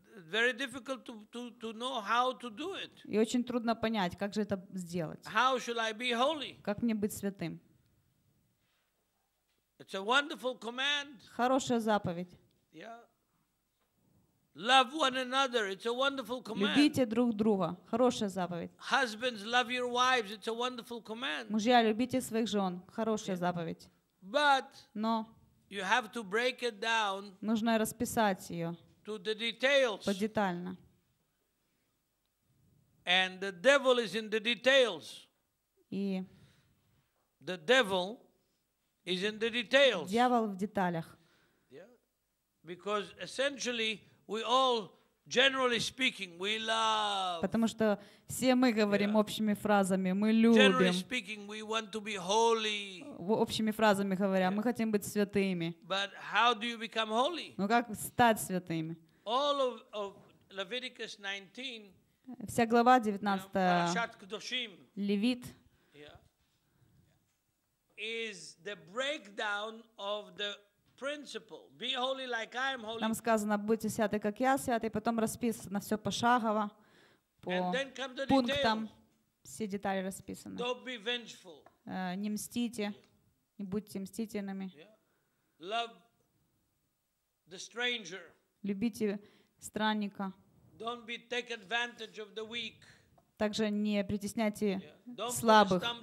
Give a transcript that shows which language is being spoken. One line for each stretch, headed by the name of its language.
English: Very difficult to know how to do it.
Russian: И очень трудно понять, как же это сделать.
English: How should I be holy?
Russian: Как мне быть святым?
English: It's a wonderful command.
Russian: Хорошая заповедь.
English: Yeah. Love one another. It's a wonderful command.
Russian: Любите друг друга. Хорошая заповедь.
English: Husbands, love your wives. It's a wonderful command.
Russian: Мужья, любите своих жен. Хорошая заповедь.
English: But no. You have to break it down.
Russian: Нужно расписать ее.
English: To the details.
Russian: Подетально.
English: And the devil is in the details.
Russian: И
English: the devil is in the details.
Russian: Дьявол в деталях.
English: Yeah. Because essentially we all generally speaking we love.
Russian: Потому что все мы говорим общими фразами, мы любим.
English: Generally speaking we want to be holy.
Russian: Общими фразами говоря, мы хотим быть святыми.
English: But how do you become holy?
Russian: Ну как стать святыми?
English: All of Leviticus 19
Russian: Вся глава 19 Левит.
English: Is the breakdown of the principle. Be holy like I am holy.
Russian: Там сказано, будьте святы, как я святый, потом расписано все пошагово, по пунктам, все детали расписаны.
English: Don't be vengeful.
Russian: Не мстите, не будьте мстительными.
English: Yeah. Love the stranger.
Russian: Любите странника.
English: Don't be take advantage of the weak.
Russian: Также не притесняйте слабых.